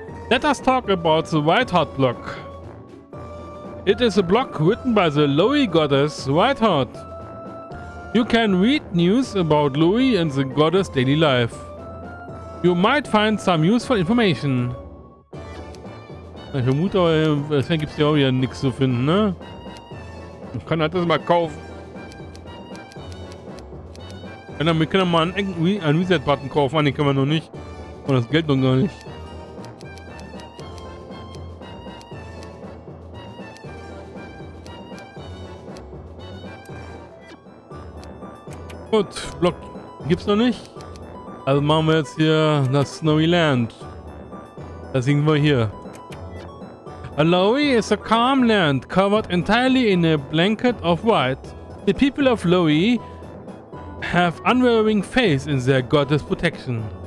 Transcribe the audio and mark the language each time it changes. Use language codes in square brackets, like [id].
[en] Let us talk about the White Heart Block. It is a block written by the Lowy goddess White Heart. You can read news about Lowy and the goddess daily life. You might find some useful information. [de] Ich vermute, deswegen gibt es ja auch wieder nichts zu finden, ne? Ich kann halt das mal kaufen. Wir können mal einen Reset-Button kaufen. Nein, den können wir noch nicht. Und das Geld noch gar nicht. Gut, Block gibt's noch nicht. Also machen wir jetzt hier das Snowy Land. Da singen wir hier. [en] Lowy is a calm land covered entirely in a blanket of white. The people of Lowy have unwavering faith in their goddess protection.